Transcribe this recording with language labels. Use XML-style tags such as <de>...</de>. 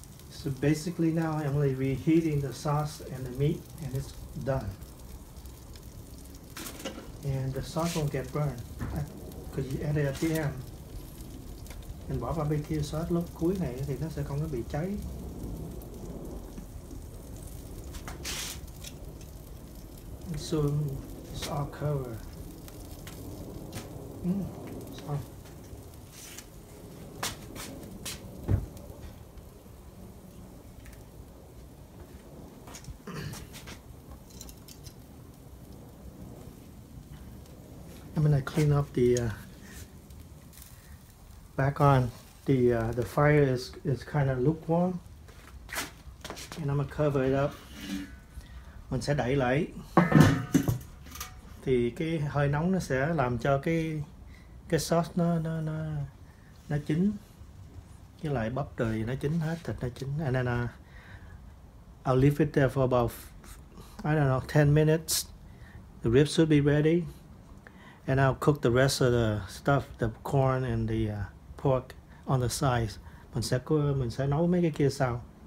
<en>So basically now I'm only reheating the sauce and the meat and it's done. And the sauce won't get burned because you add it at the end.</en> <vi>Mình bỏ barbecue sauce lúc cuối này thì nó sẽ không có bị cháy.</vi> <en>And so it's all covered. I'm gonna clean up the back on. the fire is kind of lukewarm, and I'm gonna cover it up.</en> <vi>Mình sẽ đẩy lại, thì cái hơi nóng nó sẽ làm cho cái sauce nó chín, với lại bắp đùi nó chín hết, thịt nó chín.</vi> <en>And then I'll leave it there for about, I don't know, 10 minutes. The ribs should be ready. And I'll cook the rest of the stuff, the corn and the pork on the side.</en> <vi>Mình sẽ nấu mấy cái kia sau.</vi>